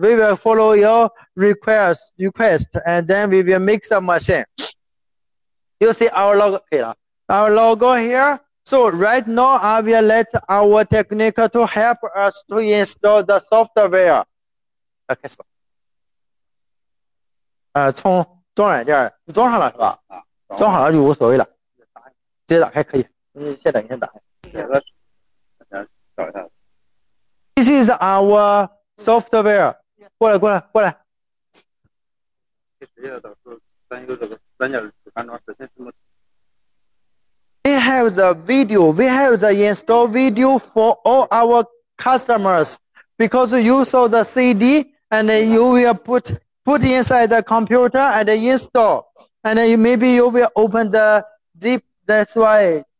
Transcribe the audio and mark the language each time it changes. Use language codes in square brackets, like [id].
[en] We will follow your request, and then we will make the machine. You see our logo here. Our logo here. So right now, I will let our technical to help us to install the software. Okay. [zh] 从装软件你装上了是吧？啊，装好了就无所谓了，直接打开可以。你先等，先打开。找一下。 [en] This is our software。 [zh] 过来，过来，过来。这直接导出三个这个三角安装实现什么？ [en] We have the video. We have the install video for all our customers. Because you saw the CD and you will put inside the computer and install. And maybe you will open the zip. That's why.